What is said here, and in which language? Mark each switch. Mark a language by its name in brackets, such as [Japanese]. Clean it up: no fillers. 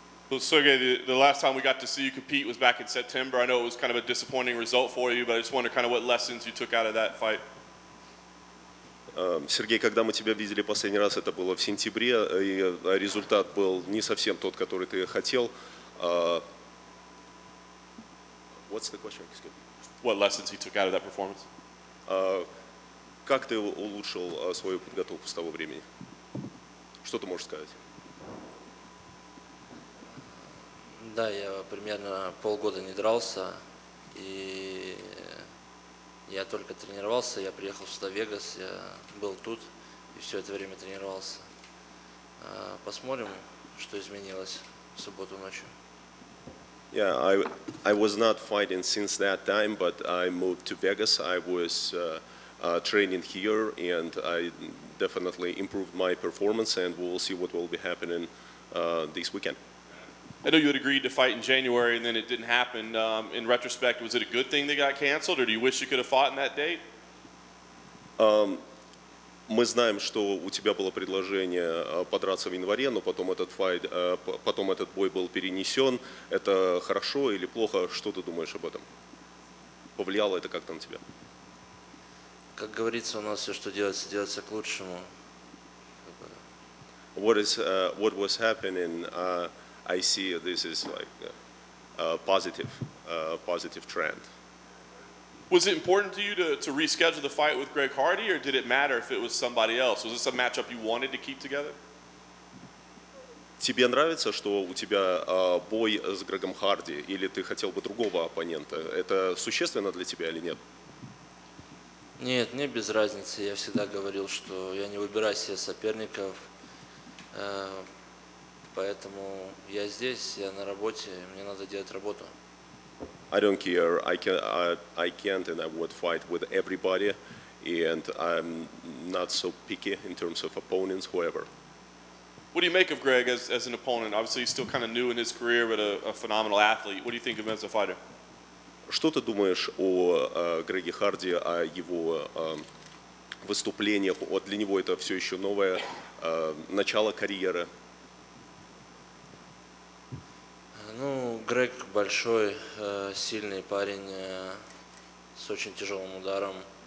[English] Well, Sergey, the last time we got to see you compete was back in September. I know it was kind of a disappointing result for you, but I just wonder kind of what lessons you took out of that fight. [Russian] Сергей, когда мы тебя видели последний раз, это было в сентябре, и результат был не совсем тот, который ты хотел. [English] What's the question? Excuse me. What lessons you took out of that performance? [Russian] Как ты улучшил свою подготовку с того времени? Что ты можешь сказать? Да, я примерно полгода не дрался, и я только тренировался, я приехал сюда в Вегас, я был тут и все это время тренировался. Посмотрим, что изменилось в субботу ночью. [English] Yeah, I was not fighting since that time, but I moved to Vegas. I was training here, and I definitely improved my performance, and we'll see what will be happening this weekend. I know you had agreed to fight in January, and then it didn't happen. In retrospect, was it a good thing they got canceled, or do you wish you could have fought in that date? [Russian] Мы знаем, что у тебя было предложение подраться в январе, но потом этот бой был перенесен. Это хорошо или плохо? Что ты думаешь об этом? Повлияло это как-то на тебя? Как говорится, у нас все, что делается, делается к лучшему. [English] What was happening? I see this is like a positive trend. Was it important to you to reschedule the fight with Greg Hardy, or did it matter if it was somebody else? Was this a matchup you wanted to keep together? [Russian] Тебе нравится, что у тебя бой с Грегом Харди, или ты хотел бы другого оппонента? Это существенно для тебя или нет? Нет, мне без разницы. Я всегда говорил, что я не выбираю себе соперников, поэтому я здесь, я на работе, мне надо делать работу. [English] I don't care. I can't and I would fight with everybody, and I'm not so picky in terms of opponents, whoever. What do you make of Greg as an opponent? Obviously, he's still kind of new in his career, but a phenomenal athlete. What do you think of him as a fighter? [Russian] Что ты думаешь о Греге Харди, о его выступлениях? Вот для него это все еще новое начало карьеры. Ну, Грег большой, сильный парень, с очень тяжелым ударом.